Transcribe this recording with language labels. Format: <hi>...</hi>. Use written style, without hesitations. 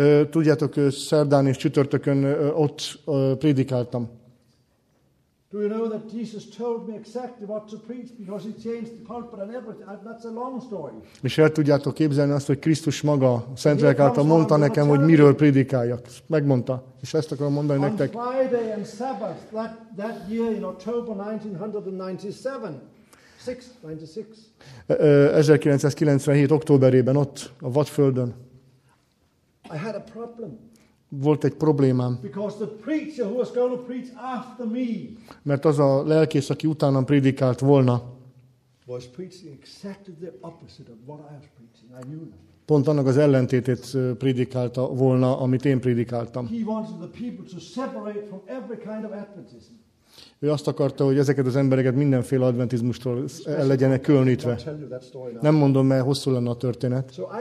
<hu>Tudjátok, szerdán és csütörtökön ott prédikáltam.</hu> <en>Do you know that Jesus told me exactly what to preach because he changed the pulpit and everything? That's a long story.</en> <hu>És el tudjátok képzelni azt, hogy Krisztus maga, Szent Lélek által mondta nekem, hogy miről prédikáljak. Megmondta. És ezt akarom mondani nektek.</hu> <en>On Friday and Sabbath that year in October 1997.</en> <hu>1997 októberében ott a Vadföldön.</hu> <en>I had a problem.</en> <hu>Volt egy problémám.</hu> <en>Because the preacher who was going to preach after me.</en> <hu>Mert az a lelkész, aki utánam prédikált volna.</hu> <en>Was preaching exactly the opposite of what I was preaching. I knew that.</en> <hu>Pont annak az ellentétét prédikálta volna, amit én prédikáltam.</hu> <en>He wanted the people to separate from every kind of Adventism.</en> <hu>Ő azt akarta, hogy ezeket az embereket mindenféle adventizmustól el legyenek különítve. Nem mondom, mert hosszú lenne a történet.</hu>